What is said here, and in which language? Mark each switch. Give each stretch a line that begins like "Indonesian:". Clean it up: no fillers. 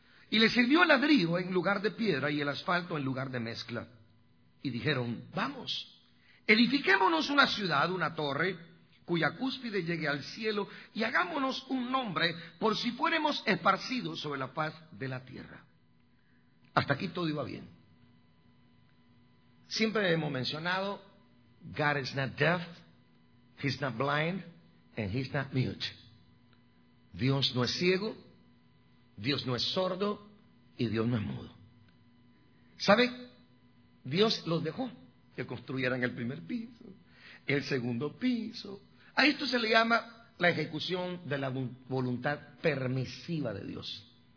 Spanish: Y le sirvió el ladrillo en lugar de piedra y el asfalto en lugar de mezcla. Y dijeron, vamos, edifiquémonos una ciudad, una torre, cuya cúspide llegue al cielo, y hagámonos un nombre por si fuéremos esparcidos sobre la faz de la tierra. Hasta aquí todo iba bien. Siempre hemos mencionado,
English: God is not deaf, he's not blind, and he's not mute.
Spanish: Dios no es ciego, Dios no es sordo y Dios no es mudo. ¿Sabe? Dios los dejó que construyeran el primer piso, el segundo piso. A esto se le llama la ejecución de la voluntad permisiva de Dios.